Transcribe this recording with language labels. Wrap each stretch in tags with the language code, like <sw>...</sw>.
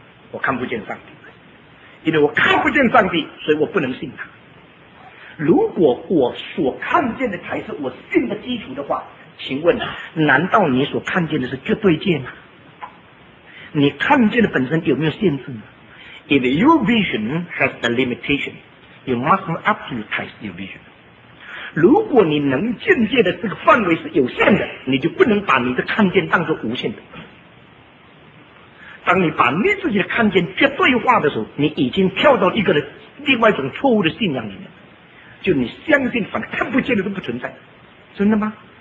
<zh>我看不见上帝，因为我看不见上帝，所以我不能信他。如果我所看见的才是我信的基础的话，请问难道你所看见的是绝对界吗？你看见的本身有没有限制呢？</zh> <en>If your vision has a limitation, you mustn't absolutize your vision.</en> <zh>如果你能见界的这个范围是有限的，你就不能把你的看见当作无限的。当你把你自己的看见绝对化的时候，你已经跳到一个另外一种错误的信仰里面，就你相信反正看不见的都不存在。真的吗？</zh>